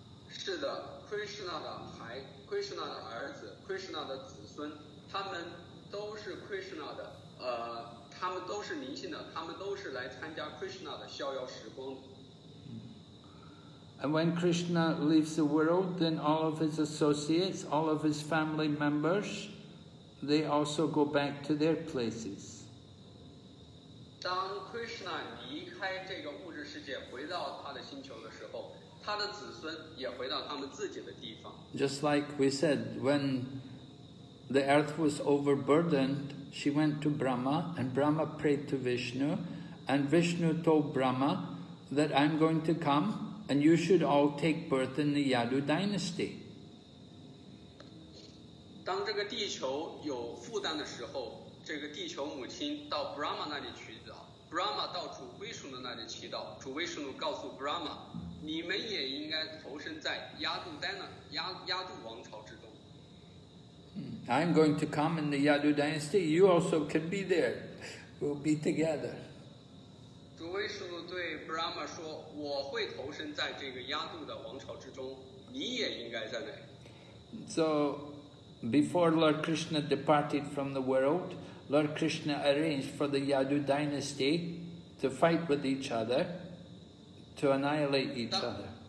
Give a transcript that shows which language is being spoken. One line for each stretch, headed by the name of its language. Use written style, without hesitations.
Chinese: 是的 ，Krishna 的孩 ，Krishna 的儿子 ，Krishna 的子孙，他们都是 Krishna 的，他们都是灵性的，他们都是来参加 Krishna 的逍遥时光。
English: And when Krishna leaves the world, then all of his associates, all of his family members, they also go back to their places.
Chinese: 当 Krishna 离开这个物质世界，回到他的星球的时候，他的子孙也回到他们自己的地方。
English: Just like we said, when the earth was overburdened, she went to Brahma, and Brahma prayed to Vishnu, and Vishnu told Brahma that I'm going to come, and you should all take birth in the Yadu dynasty.
Chinese: 当这个地球有负担的时候，这个地球母亲到 Brahma 那里祈祷， Brahma 到主威士努那里祈祷，主威士努告诉 Brahma， 你们也应该投身在
English: Yadu dynasty，
Chinese: 亚杜王朝之中。
English: I'm going to come in the Yadu dynasty. You also can be there. We'll be together.
Chinese: 主威士努对 Brahma 说，我会投身在这个亚杜的王朝之中，你也应该在那里。
English: So, before Lord Krishna departed from the world, Lord Krishna arranged for the Yadu dynasty to fight with each other, to annihilate each other.